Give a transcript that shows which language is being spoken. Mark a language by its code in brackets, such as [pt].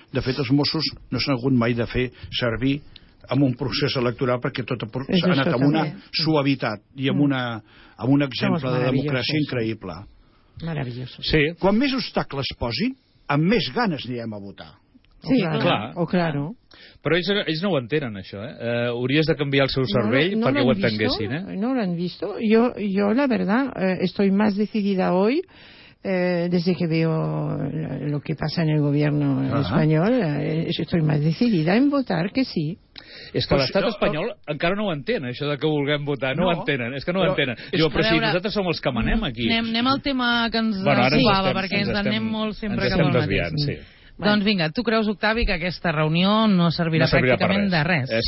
[ca] De fet, els Mossos no s'han hagut mai de fer servir en un procés electoral perquè tot s'ha anat amb una suavitat i amb un exemple de democràcia increïble. Meravellosos. Sí. Quan més obstacles posin, amb més ganes anirem a votar. Sí, clar. Però ells no ho entenen, això, eh? Hauries de canviar el seu cervell perquè ho entenguessin, eh? No l'han vist. [es] Jo, la verdad, estoy más decidida hoy desde que veo lo que pasa en el gobierno español. Estoy más decidida en votar que sí. [ca] És que l'estat espanyol encara no ho entén, això de que vulguem votar. No ho entenen, és que no ho entenen. Diu, però si nosaltres som els que manem aquí. Anem al tema que ens suava, perquè ens anem molt sempre cap al mateix. Bueno. Doncs vinga, tu creus, Octavi, que aquesta reunió no servirà pràcticament per res. De res?